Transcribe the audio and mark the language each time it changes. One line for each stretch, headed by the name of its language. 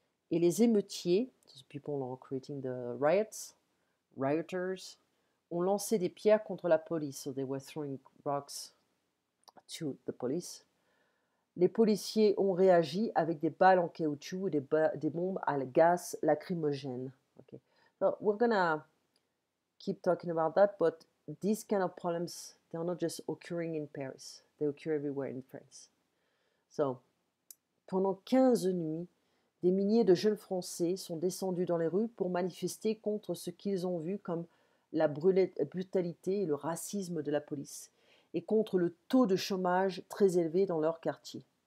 French: Et les émeutiers,
English: those people are creating the rioters,
French: ont lancé des pierres contre la police.
English: So they were throwing rocks to the police.
French: Les policiers ont réagi avec des balles en caoutchouc et des bombes à gaz lacrymogène.
English: Okay. So we're gonna keep talking about that, but these kind of problems, they're not just occurring in Paris. They occur everywhere in France.
French: So, pendant 15 nuits, des milliers de jeunes Français sont descendus dans les rues pour manifester contre ce qu'ils ont vu comme la brutalité et le racisme de la police, et contre le taux de chômage très élevé dans leur quartier.